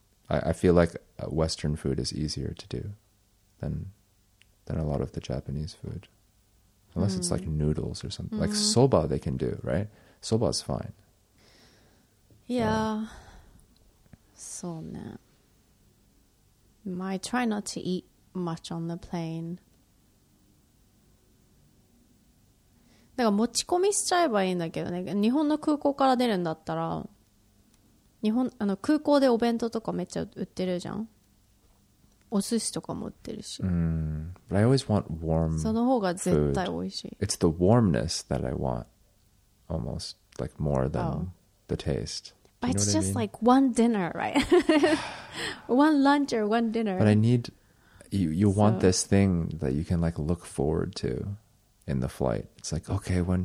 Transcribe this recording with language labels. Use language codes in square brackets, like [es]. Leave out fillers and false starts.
[en] I feel like Western food is easier to do than a lot of the Japanese food. Unless it's like noodles or something. Like soba they can do, right? Soba is fine. Yeah. So, ne. I try not to eat much on the plane. [ja] だから持ち込みしちゃえばいいんだけどね。日本の空港から出るんだったら、日本、あの空港でお弁当とかめっちゃ売ってるじゃん。お寿司とかも売ってるし。 [en] But I always want warm. [ja] その方が絶対美味しい。 [en] It's the warmness that I want, almost like more than the taste. But it's just like one dinner, right? one lunch or one dinner. But I need you want this thing that you can like look forward to in the flight. It's like okay,